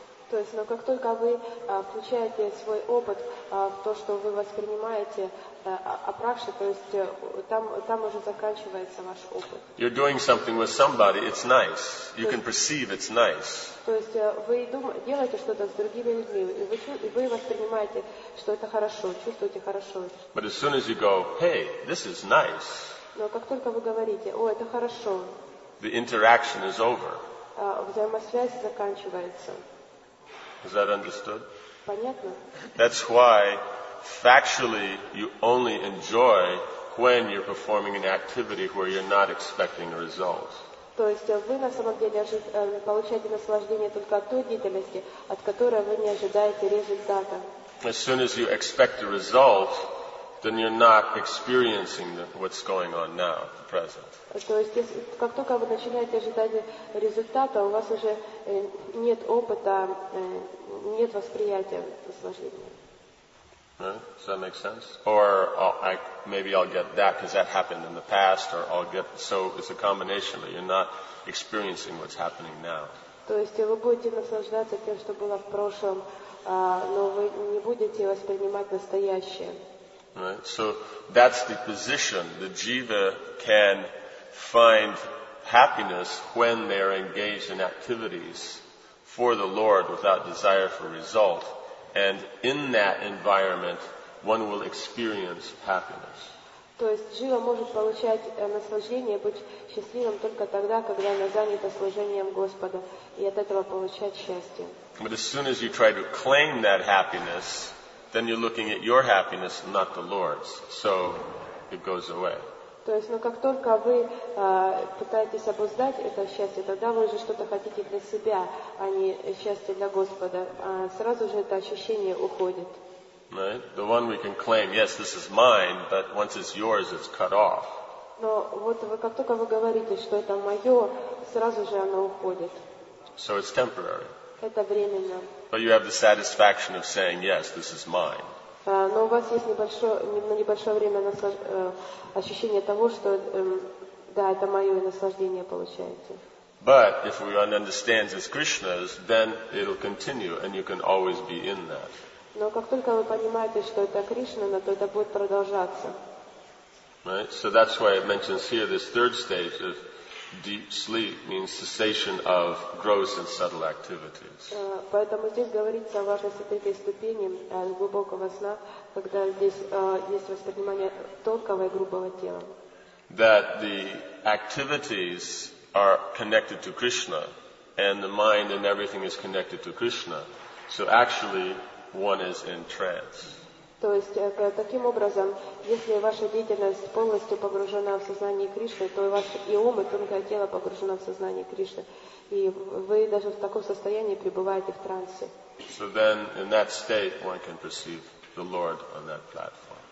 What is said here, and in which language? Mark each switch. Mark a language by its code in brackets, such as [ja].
[ru] То есть, но как только вы включаете свой опыт в то, что вы воспринимаете апракши, то есть там уже заканчивается ваш опыт. [en] You're doing something with somebody, it's nice. You can perceive it's nice. [ru] То есть вы делаете что-то с другими людьми, и вы воспринимаете, что это хорошо, чувствуете хорошо. [en] But as soon as you go, hey, this is nice. [ru] Но как только вы говорите, о, это хорошо. [en] The interaction is over. [ru] Взаимосвязь заканчивается. [en] Is that understood? [ru] Понятно. [en] That's why, factually, you only enjoy when you're performing an activity where you're not expecting a result. [ru] То есть вы на самом деле получаете наслаждение только от той деятельности, от которой вы не ожидаете результата. [en] As soon as you expect a result, then you're not experiencing what's going on now, the present. [ru] То есть, как только вы начинаете ожидать результата, у вас уже нет опыта, нет восприятия наслаждения. [en] Does that make sense? Or maybe I'll get that because that happened in the past, or I'll get. So it's a combination, but you're not experiencing what's happening now. [ru] То есть, вы будете наслаждаться тем, что было в прошлом, но вы не будете воспринимать настоящее. [en] Right. So that's the position. The jiva can find happiness when they are engaged in activities for the Lord without desire for result. And in that environment, one will experience happiness. [ru] То есть джива может получать наслаждение, быть счастливым только тогда, когда она занята служением Господа, и от этого получать счастье. [en] But as soon as you try to claim that happiness, then you're looking at your happiness, not the Lord's. So it goes away. [ru] То есть, но как только вы пытаетесь обуздать это счастье, тогда вы же что-то хотите для себя, а не счастье для Господа. Сразу же это ощущение уходит. [en] Right? The one we can claim, yes, this is mine, but once it's yours, it's cut off. [ru] Но вот вы, как только вы говорите, что это мое, сразу же оно уходит. [en] So it's temporary. [ru] Это временно. [en] But you have the satisfaction of saying, yes, this is mine. [ru] Но у вас есть небольшое время ощущение того, что да, это мое, и наслаждение получаете. [en] But if we understand it's Krishna's, then it'll continue, and you can always be in that. [ru] Но как только вы понимаете, что это Кришна, то это будет продолжаться. [en] Right? So that's why it mentions here this third stage of Deep sleep means cessation of gross and subtle activities. [ru] Поэтому здесь говорится о вашей святой ступени глубокого сна, когда здесь есть воспринимание тонкого и грубого тела. [en] That the activities are connected to Krishna, and the mind and everything is connected to Krishna. So actually, one is in trance. [ru] То есть таким образом, если ваша деятельность полностью погружена в сознание Кришны, то ваш и ум, и тонкое тело погружено в сознание Кришны, и вы даже в таком состоянии пребываете в трансе. [en] So then, in that state, one can perceive the Lord on that platform.